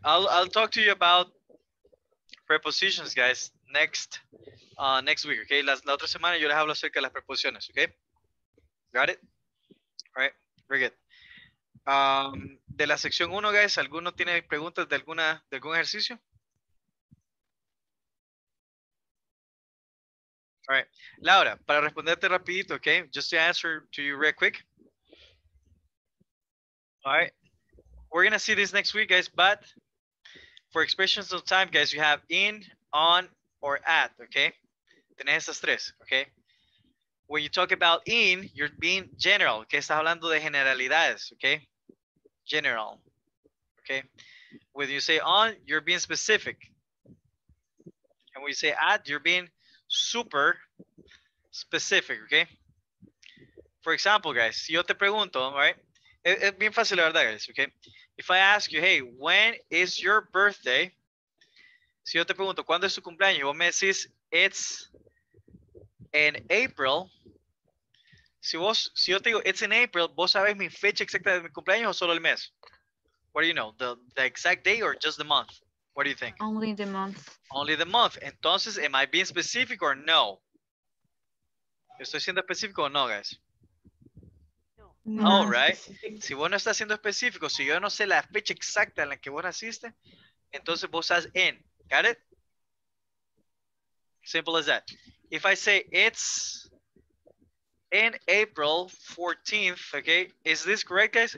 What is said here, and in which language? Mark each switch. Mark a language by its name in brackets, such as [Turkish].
[English] I'll talk to you about prepositions, guys, next week, okay? [Spanish] La otra semana yo les hablo acerca de las preposiciones, [English] okay? Got it? All right, very good. [Spanish] De la sección 1, guys, ¿alguno tiene preguntas de algún ejercicio? [English] All right. Laura, [Spanish] para responderte rapidito, [English] okay? Just to answer to you real quick. All right. We're going to see this next week, guys, but for expressions of time, guys, you have in, on, or at, okay? [Spanish] Tienes esas tres, [English] okay? When you talk about in, you're being general, okay? [Spanish] Estás hablando de generalidades, okay? General, okay? [English] When you say on, you're being specific. And when you say at, you're being super specific, okay? For example, [Spanish] guys, si yo te pregunto, right? Es bien fácil, la verdad, guys, okay? [English] If I ask you, hey, when is your birthday? [Spanish] Si yo te pregunto, ¿cuándo es tu cumpleaños? Vos me decís, [English] it's in April. [Spanish] Si yo te digo, [English] it's in April, [Spanish] ¿vos sabes mi fecha exacta de mi cumpleaños o solo el mes? [English] What do you know? The exact day or just the month? What do you think? Only the month. Only the month. Entonces, am I being specific or no? [Spanish] ¿Estoy siendo específico o no, [English] guys? No, right? Específico. [Spanish] Si vos no estás siendo específico, si yo no sé la fecha exacta en la que vos naciste, entonces vos estás en. [English] Got it? Simple as that. If I say it's in April 14th, okay, is this correct, guys?